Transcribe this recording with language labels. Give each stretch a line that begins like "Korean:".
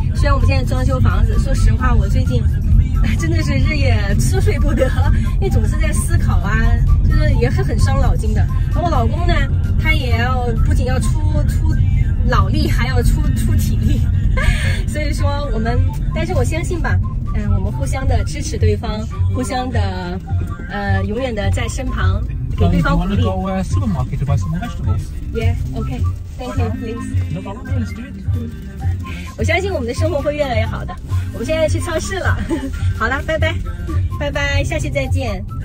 Chinese: 虽然我们现在装修房子，说实话我最近真的是日夜吃睡不得，因为总是在思考啊，就是也是很伤脑筋的。而我老公呢，他也要不仅要出脑力，还要出体力。所以说我们，但是我相信吧，我们互相的支持对方，互相的永远的在身旁给对方鼓励。
English: Do you want to go supermarket to buy some vegetables? Yeah, okay. Thank you, please. No problem, let's do it.
Chinese: 我相信我们的生活会越来越好的。我们现在去超市了。好了，拜拜，拜拜，下期再见。